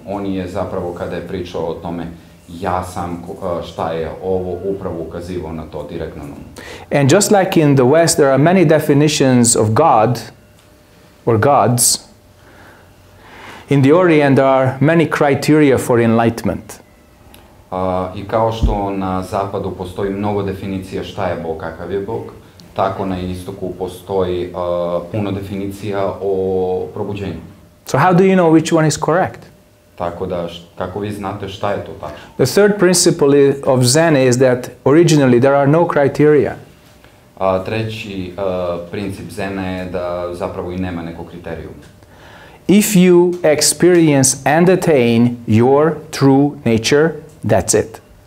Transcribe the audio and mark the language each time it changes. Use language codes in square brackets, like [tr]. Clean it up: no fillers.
[sr] On je zapravo, kada je pričao o tome, ja sam šta je ovo, upravo ukazivao na to direktno na um. [en] And just like in the West, there are many definitions of God or gods. In the Orient there are many criteria for enlightenment. [sr] I kao što na zapadu postoji mnogo definicija šta je Bog, kakav je Bog, tako na istoku postoji puno definicija o probuđenju. [en] So how do you know which one is correct? [sr] Tako da kako vi znate šta je to tačno? [en] The third principle of Zen is that originally there are no criteria. [sr] Treći princip Zena je da zapravo i nema nekog kriterijuma. [en] If you experience and attain your true nature, that's it.